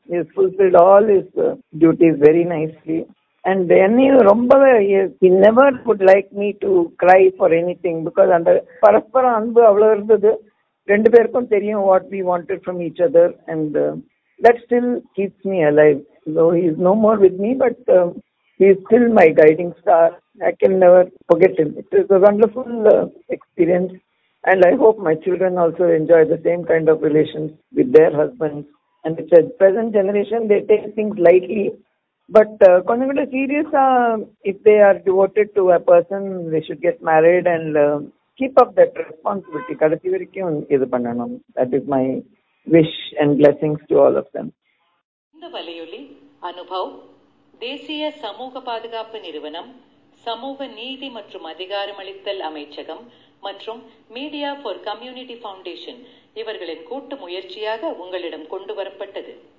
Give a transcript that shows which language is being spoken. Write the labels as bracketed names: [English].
[English] He has fulfilled all his duties very nicely. [Tamil] And என்னையும் ரொம்பவே [English] he never would like me to cry for anything, because [Tamil] அந்த பரஸ்பர அன்பு அவ்வளோ இருந்தது. ரெண்டு பேருக்கும் தெரியும் [English] What we wanted from each other, and that still keeps me alive. So he is no more with me, but he is still my guiding star. I can never forget him. It is a wonderful experience, and I hope my children also enjoy the same kind of relations with their husbands. And it's a present generation, they take things lightly, but [Tamil] konjam kuda serious ah, [English] if they are devoted to a person they should get married and keep up that responsibility [Tamil] kadasi varaikum idu pannanum. [English] That is my wish and blessings to all of them. [Tamil] வலையொலி அனுபவ் தேசிய சமூக பாதுகாப்பு நிறுவனம், சமூக நீதி மற்றும் அதிகாரம் அளித்தல் அமைச்சகம் மற்றும் மீடியா ஃபார் கம்யூனிட்டி ஃபவுண்டேஷன் இவர்களின் கூட்டு முயற்சியாக உங்களிடம் கொண்டு வரப்பட்டது.